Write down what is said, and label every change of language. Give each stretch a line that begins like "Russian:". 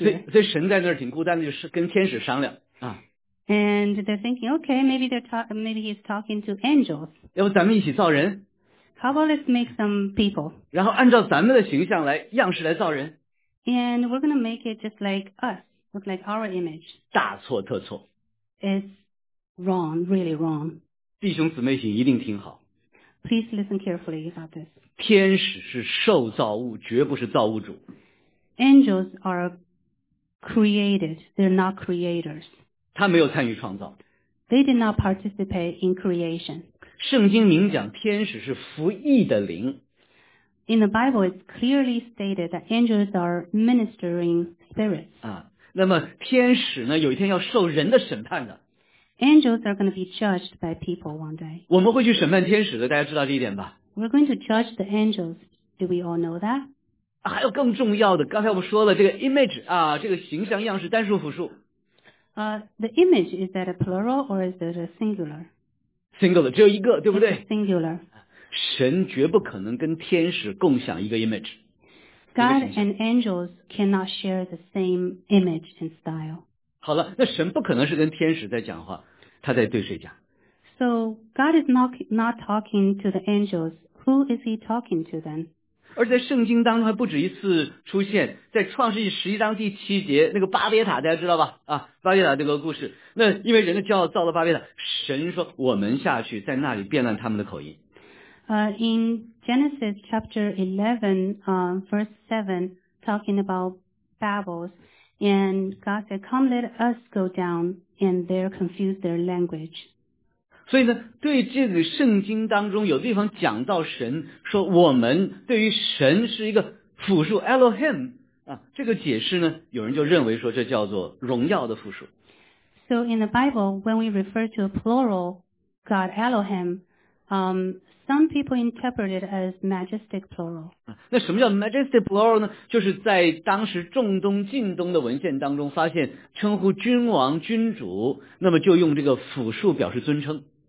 Chinese: 所以神在那儿挺孤单的，就是跟天使商量啊。
English: And they're thinking, okay, maybe he's talking to angels.
Chinese: 要不咱们一起造人
English: ？How about let's make some people?
Chinese: 然后按照咱们的形象来样式来造人。
English: And we're gonna make it just like us. Look like our image.
Chinese: 大错特错。
English: It's wrong, really wrong.
Chinese: 弟兄姊妹请一定听好。
English: Please listen carefully about this.
Chinese: 天使是受造物，绝不是造物主。
English: Angels are created, they're not creators.
Chinese: 他没有参与创造。
English: They did not participate in creation.
Chinese: 圣经明讲天使是服役的灵。
English: In the Bible, it's clearly stated that angels are ministering spirits.
Chinese: 啊。那么天使呢？有一天要受人的审判的。
English: Angels are going to be judged by people one day.
Chinese: 我们会去审判天使的，大家知道这一点吧
English: ？We're going to judge the angels. Do we all know that?、
Chinese: 啊、还有更重要的，刚才我们说了这个 image 啊，这个形象样式单数复数。
English: The image is that a plural or is it a singular?
Chinese: Singular 只有一个，对不对
English: ？It's singular.
Chinese: 神绝不可能跟天使共享一个 image。
English: God and angels cannot share the same image and style.
Chinese: 好了，那神不可能是跟天使在讲话，他在对谁讲
English: ？So God is not talking to the angels. Who is he talking to then?
Chinese: 而在圣经当中还不止一次出现，在创世纪十一章第七节那个巴别塔，大家知道吧？啊，巴别塔这个故事，那因为人的骄傲造了巴别塔，神说我们下去，在那里变乱他们的口音。
English: In Genesis chapter 11, verse 7, talking about Babel, and God said, come let us go down, and there confuse their language.
Chinese: 所以呢，对这个圣经当中有地方讲到神，说我们对于神是一个复数 Elohim, 啊，这个解释呢，有人就认为说这叫做荣耀的复数。
English: So in the Bible, when we refer to a plural God Elohim, some people interpret it as majestic plural.
Chinese: 那什么叫 majestic plural 呢？就是在当时中东、近东的文献当中发现，称呼君王、君主，那么就用这个复数表示尊称。